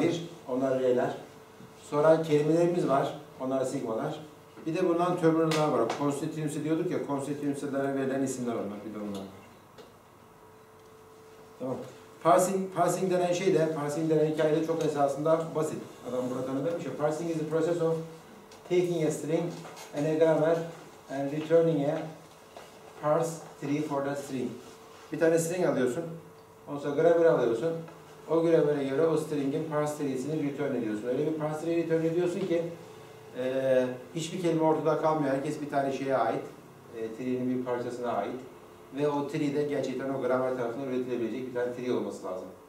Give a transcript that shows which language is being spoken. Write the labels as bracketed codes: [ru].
[tr] Bir, onlar R'ler. Sonra kelimelerimiz var. Onlar sigmalar. Bir de bundan terminaller var. Constituency diyorduk ya. Constituency'lere verilen isimler onlar. Bir de onlar var. Tamam. Parsing denen şey de, parsing denen hikaye de çok esasında basit. Adam burada ne demiş ya? [en] Parsing is the process of taking a string and a grammar and returning a parse tree for the string. [tr] Bir tane string alıyorsun, ondan sonra grammar alıyorsun. O grammar'a göre o string'in parse tree'sini return ediyorsun. Öyle bir parse tree return ediyorsun ki hiçbir kelime ortada kalmıyor. Herkes bir tane şeye ait, tree'nin bir parçasına ait. Ve o tree de gerçekten o gramer tarafından üretilebilecek bir tane tree olması lazım.